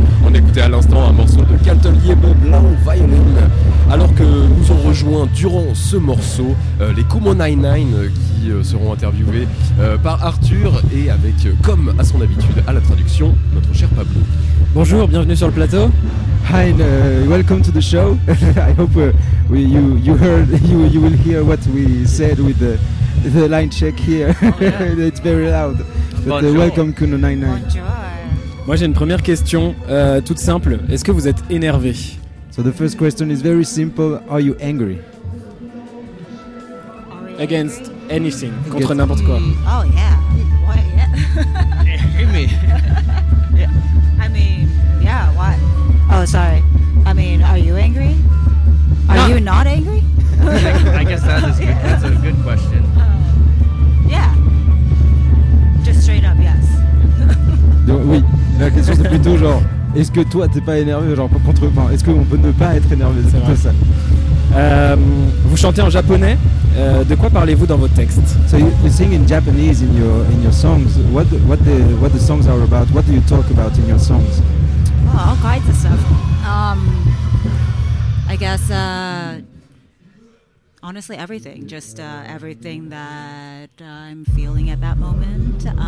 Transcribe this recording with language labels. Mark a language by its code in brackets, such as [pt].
[fr] On écoutait à l'instant un morceau de Calton Yebo, Blau Violin, alors que nous ont rejoint durant ce morceau les Kumo 99 qui seront interviewés par Arthur et avec, comme à son habitude à la traduction, notre cher Pablo. Bonjour, bienvenue sur le plateau. [en] Hi, and welcome to the show. I hope you will hear what we said with the line check here. Oh, yeah. It's very loud. But welcome, Kuno 99. [fr] Moi, j'ai une première question toute simple. Est-ce que vous êtes énervé? [en] So the first question is very simple. Are you angry? Against anything? [fr] Contre n'importe quoi? [en] Oh yeah. What? Yeah. Hit me. Yeah. I mean, yeah. What? Oh, sorry. I mean, are you angry? Are you not angry? I guess that is good. That's a good question. Yeah. Just straight up, yes. [fr] Donc, oui, la question c'est plutôt genre, est-ce que toi t'es pas énervé, genre contre, enfin, est-ce qu'on peut ne pas être énervé, c'est tout ça. Vous chantez en japonais. De quoi parlez-vous dans vos textes? [en] So you sing in Japanese in your songs. What the songs are about? What do you talk about in your songs? Oh, all kinds of stuff. I guess honestly everything. Just everything that I'm feeling at that moment.